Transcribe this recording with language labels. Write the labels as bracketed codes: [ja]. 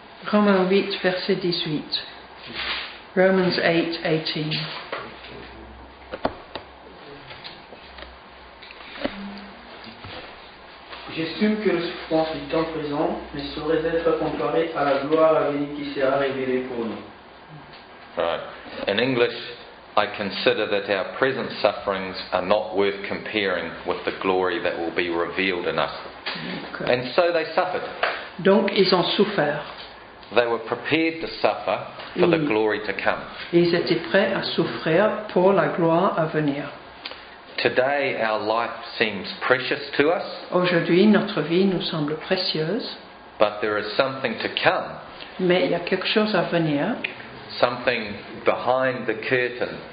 [fr] Romains 8, verset 18. Romans 8, 18. J'estime que les souffrances du temps présent ne sauraient être comparées à la gloire à venir qui sera révélée pour nous. [en] Right. In English, I consider that our present sufferings are not worth comparing with the glory that will be revealed in us. Okay. And so they suffered. [fr] Donc ils ont souffert. [en] They were prepared to suffer for the glory to come. [fr] Ils étaient prêts à souffrir pour la gloire à venir. [en] Today our life seems precious to us. [fr] Aujourd'hui notre vie nous semble précieuse. [en] But there is something to come. [fr] Mais il y a quelque chose à venir. [en] Something behind the curtain.